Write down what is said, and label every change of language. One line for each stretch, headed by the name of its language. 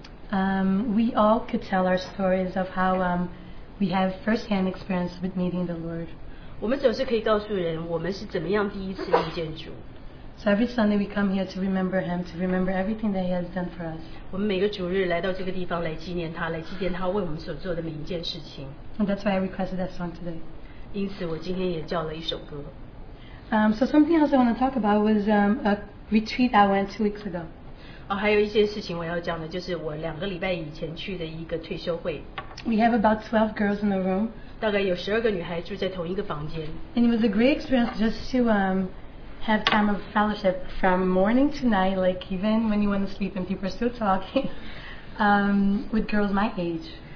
English: We all could tell our stories of how we have first-hand experience with meeting the Lord.
Chinese: 我们总是可以告诉人，我们是怎么样第一次遇见主。
English: So every Sunday we come here to remember Him, to remember everything that He has done for us.
Chinese: 我们每个主日来到这个地方来纪念他，来纪念他为我们所做的每一件事情。
English: And that's why I requested that song today.
Chinese: 因此我今天也叫了一首歌。
English: So something else I want to talk about was a retreat I went 2 weeks ago.
Chinese: 还有一件事情我要讲的就是我两个礼拜以前去的一个退休会。
English: We have about 12 girls in the room.
Chinese: 大概有12个女孩住在同一个房间。
English: And it was a great experience just to have time of fellowship from morning to night, like even when you want to sleep and people are still talking, with girls my age.